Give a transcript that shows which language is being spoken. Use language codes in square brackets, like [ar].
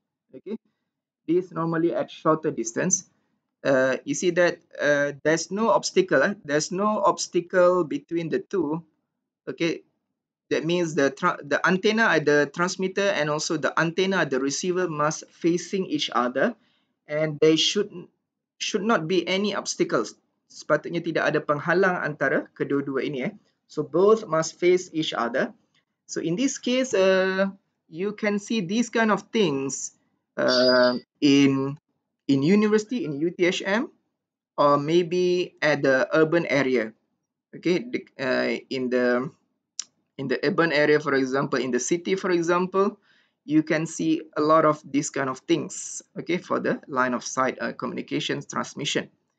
[en] Okay, these normally at shorter distance. You see that there's no obstacle. Eh? There's no obstacle between the two. Okay, that means the antenna at the transmitter and also the antenna at the receiver must facing each other, and they should not be any obstacles. [ms] sepatutnya tidak ada penghalang antara kedua-dua ini. [en] So both must face each other. So in this case, you can see these kind of things in university, in UTHM, or maybe at the urban area. Okay, in the urban area, for example, in the city, for example, you can see a lot of these kind of things, okay, for the line of sight communications transmission.